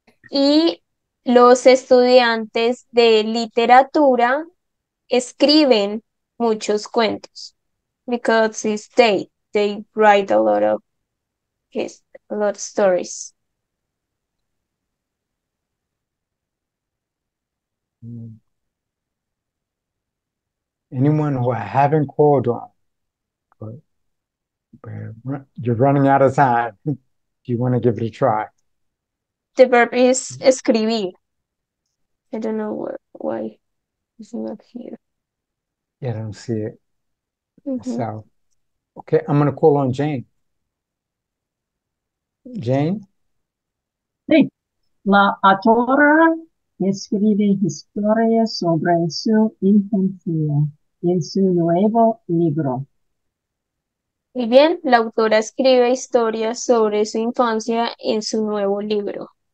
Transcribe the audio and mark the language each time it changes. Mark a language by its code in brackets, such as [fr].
[es] Y los estudiantes de literatura escriben muchos cuentos. [en] Because it's they write a lot of stories. Anyone who I haven't called on, but you're running out of time. Do you want to give it a try? The verb is escribir. I don't know why it's not here. Yeah, I don't see it. Mm-hmm. So, okay, I'm going to call on Jane. Jane? [es] Hey, la autora escribe historia sobre su infancia en su nuevo libro. Muy bien, la autora escribe historias sobre su infancia en su nuevo libro.